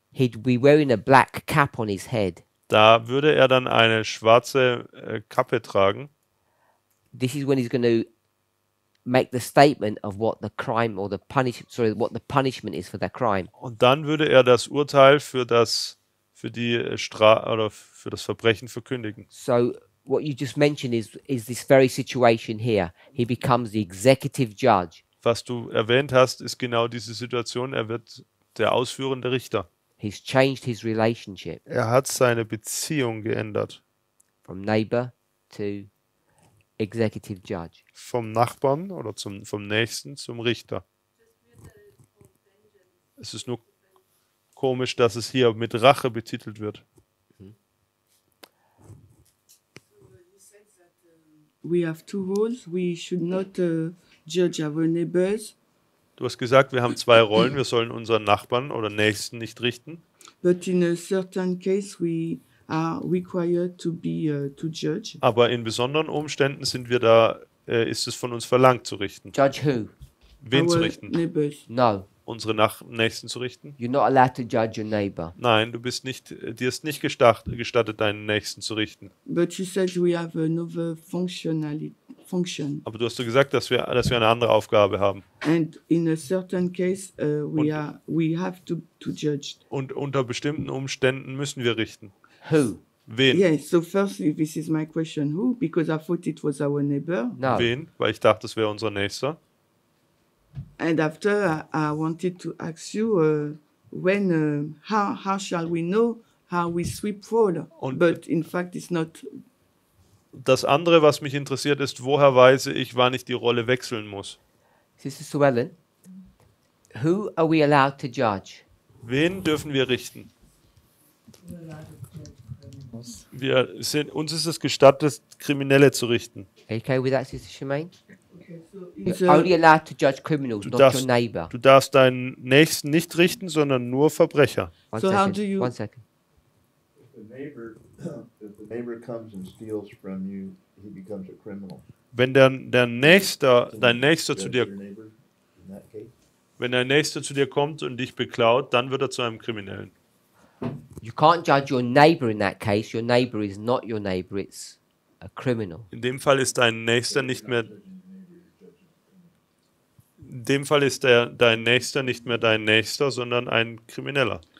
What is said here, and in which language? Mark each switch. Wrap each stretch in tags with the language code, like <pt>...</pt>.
<en>he'd be wearing a black cap on his head.</en> <de>Da würde er dann eine schwarze Kappe tragen.</de> <en>This is when he's going to make the statement of what the crime or the punishment, sorry, what the punishment is for that crime.</en> <de>Und dann würde er das Urteil für das Verbrechen verkündigen.</de> <en>So what you just mentioned is this very situation here. He becomes the executive judge.</en> <de>Was du erwähnt hast, ist genau diese Situation. Er wird der ausführende Richter.</de> <en>He's changed his relationship.</en> <de>Er hat seine Beziehung geändert.</de> <en>From neighbor to executive judge.</en> <de>Vom Nachbarn oder vom Nächsten zum Richter. Es ist nur komisch, dass es hier mit Rache betitelt wird.</de> <en>We have two roles. We should not judge our neighbors.</en> <de>Du hast gesagt, wir haben zwei Rollen. Wir sollen unseren Nachbarn oder Nächsten nicht richten.</de> <en>But in a certain case, we are required to be to judge.</en> <de>Aber in besonderen Umständen sind wir da. Ist es von uns verlangt zu richten?</de> <en>Judge who?</en> <de>Wen zu richten?</de> <en>Our neighbors. No.</en> <de>Unsere Nächsten zu richten?</de> <en>You're not allowed to judge your neighbor.</en> <de>Nein, du bist nicht, dir ist nicht gestattet, deinen Nächsten zu richten.</de> <en>But you said we have another functionality. function.</en> <de>Aber du hast ja gesagt, dass wir eine andere Aufgabe haben.</de> <en>And in a certain case we have to judge.</en> <de>Und unter bestimmten Umständen müssen wir richten.</de> <en>Who?</en> <de>Wen?</de> <en>Yes, so firstly this is my question, who? Because I thought it was our neighbor.</en> <de>No. Wen? Weil ich dachte, es wäre unser Nächster.</de> <en>And after I wanted to ask you how shall we know how we sweep floor? But in fact it's not.</en> <de>Das andere, was mich interessiert, ist, woher weiß ich, wann ich die Rolle wechseln muss?</de> <en>Sister Suellen, who are we allowed to judge?</en> <de>Wen dürfen wir richten? Uns ist es gestattet, Kriminelle zu richten.</de> <en>Okay, with that, Sister Shemaine? You're only allowed to judge criminals, not your neighbor.</en> <de>Du darfst deinen Nächsten nicht richten, sondern nur Verbrecher.</de> <en>If the neighbor comes and steals from you, he becomes a criminal.</en> <de>Wenn dein Nächster zu dir kommt und dich beklaut, dann wird er zu einem Kriminellen.</de> <en>You can't judge your neighbor in that case. Your neighbor is not your neighbor, it's a criminal.</en> <de>In dem Fall ist dein Nächster nicht mehr. Dein Nächster, sondern ein Krimineller.</de>